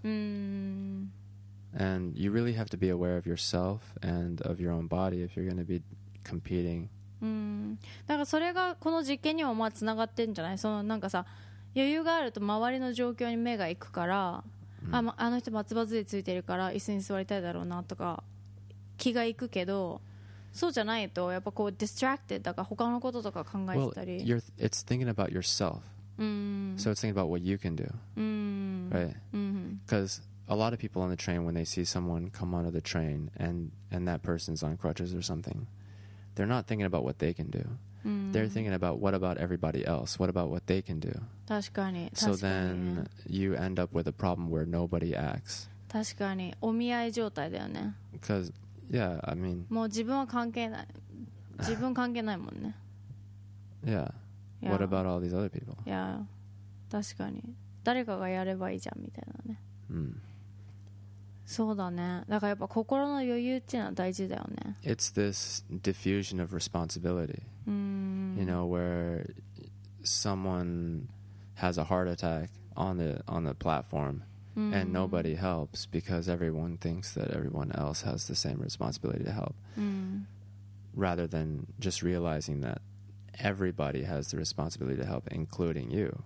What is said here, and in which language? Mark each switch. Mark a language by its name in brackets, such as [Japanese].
[English] And you really have to be aware of yourself and of your own body if you're going to be competing. [Japanese] だからそれがこの実験にもまあつながってんじゃない。そのなんかさ、余裕があると周りの状況に目がいくから、あの人松葉杖ついてるから椅子に座りたいだろうなとか気がいくけど、そうじゃないとやっぱこう distracted だから他のこととか考えてたり。 [English] Well, it's thinking about yourself. So it's thinking about what you can do. Because a lot of people on the train, when they see someone come out of the train and that person's on crutches or something, they're not thinking about what they can do. They're thinking about what about everybody else? What about what they can do? [Japanese] 確かに。 [English] So then you end up with a problem where nobody acts. [Japanese] 確かに。お見合い状態だよね。 [English] Because, yeah, I mean... [Japanese] もう自分は関係ない。自分関係ないもんね。 [English] Yeah. What about all these other people? [Japanese] Yeah. 確かに。誰かがやればいいじゃんみたいなね。そうだね。だからやっぱ心の余裕っていうのは大事だよね。 [English] It's this diffusion of responsibility. You know, where someone has a heart attack on the platform and nobody helps because everyone thinks that everyone else has the same responsibility to help. Rather than just realizing that everybody has the responsibility to help, including you.